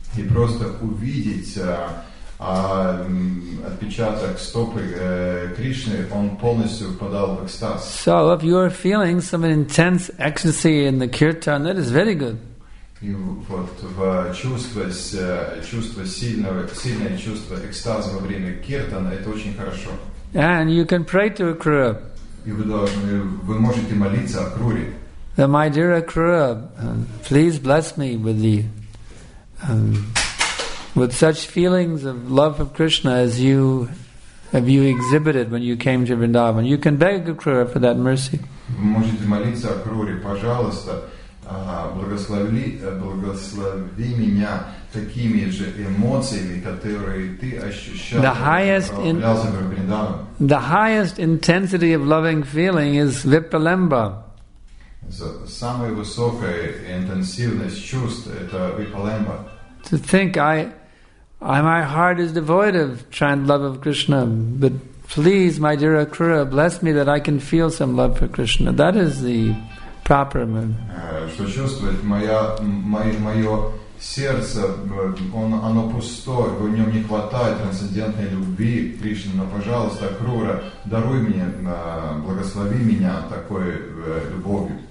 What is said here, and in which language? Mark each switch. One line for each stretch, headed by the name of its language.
Russian: И просто увидеть отпечаток стопы Кришны, он полностью впадал в экстаз.
English: So if you are feeling some intense ecstasy in the kirtan, that is very good.
Russian: И вот в чувство сильное чувство экстаза во время киртана, это очень хорошо.
English: And you can pray to Akrura.
Russian: И вы можете молиться Акруре.
English: My dear Akrura, please bless me with the with such feelings of love of Krishna as you exhibited when you came to Vrindavan. You can beg Akrura for that mercy.
Russian: Вы можете молиться Акруре, пожалуйста. Благослови меня такими же эмоциями, которые ты ощущал.
English: The highest intensity of loving feeling is vipralamba.
Russian: Самая высокая интенсивность чувств – это vipralamba.
English: To think my heart is devoid of trying love of Krishna, but please, my dear Akrura, bless me that I can feel some love for Krishna. That is the proper mood.
Russian: Что чувствует мое сердце, оно пустое, в нем не хватает трансцендентной любви к Кришне, но, пожалуйста, Акрура, даруй мне, благослови меня такой любовью.